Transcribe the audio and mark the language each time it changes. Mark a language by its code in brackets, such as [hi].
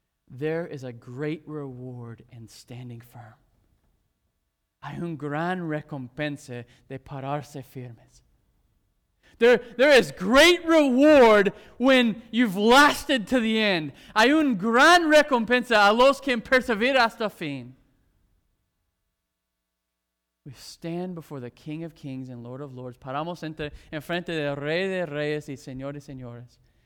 [en] There is a great reward in standing firm. [es] Hay un gran recompensa de pararse firmes. [en] There is great reward when you've lasted to the end. [es] Hay un gran recompensa a los que perseveran hasta fin. [en] We stand before the King of Kings and Lord of Lords. [es] Paramos en frente del Rey de Reyes y Señor de Señores.